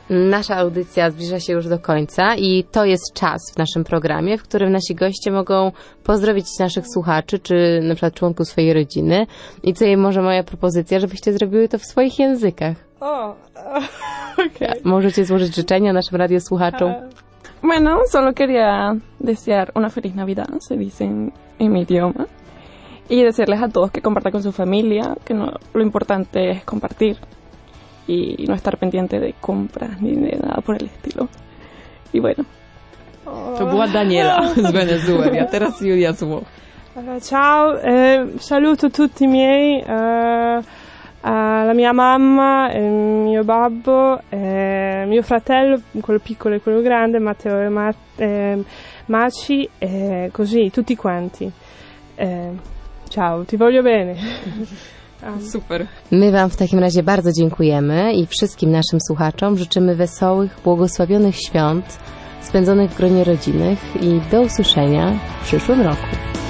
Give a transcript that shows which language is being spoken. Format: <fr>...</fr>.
<pl>Nasza audycja zbliża się już do końca i to jest czas w naszym programie, w którym nasi goście mogą pozdrowić naszych słuchaczy, czy na przykład członków swojej rodziny. I co jej może moja propozycja, żebyście zrobiły to w swoich językach. Okay. Możecie złożyć życzenia naszym radiosłuchaczom.</pl> <es>Bueno, solo quería desear una feliz Navidad, se dice en mi idioma, y desearles a todos que compartan con su familia, que no, lo importante es compartir y no estar pendiente de compras ni de nada por el estilo. Y bueno.</es> <pl>To była Daniela z Wenezueli, a teraz Julia Zło.</pl> <it>Ciao, saluto tutti miei, la mia mamma, mio babbo, mio fratello, quello piccolo e quello grande, Matteo e Maci, così, tutti quanti. Ciao, ti voglio bene.</it> <pl>Super. My wam w takim razie bardzo dziękujemy i wszystkim naszym słuchaczom życzymy wesołych, błogosławionych świąt spędzonych w gronie rodzinnych i do usłyszenia w przyszłym roku.</pl>